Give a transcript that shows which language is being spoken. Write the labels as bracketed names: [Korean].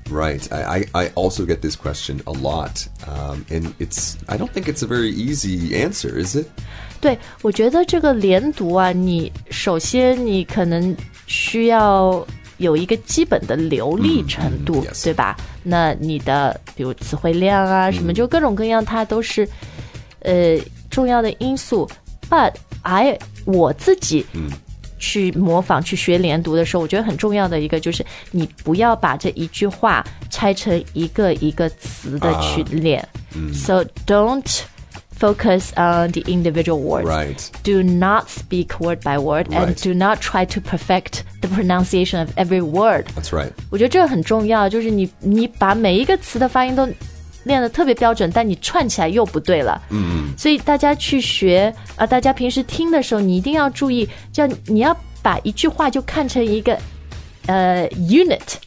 [English] Right I also get this question a lot、And it's I don't think it's a very easy answer, is it? [Chinese] 对我觉得这个连读啊你首先你可能需要有一个基本的流利程度、对吧那你的比如词汇量啊什么就各种各样它都是重要的因素 But 我自己去模仿去学连读的时候我觉得很重要的一个就是你不要把这一句话拆成一个一个词的去练、 [English] So don't focus on the individual words、 right. Do not speak word by word、 right. And do not try to perfect the pronunciation of every word That's right [Chinese] 我觉得这很重要就是 你把每一个词的发音都练得特别标准但你串起来又不对了、所以大家去学、大家平时听的时候你一定要注意叫你要把一句话就看成一个、unit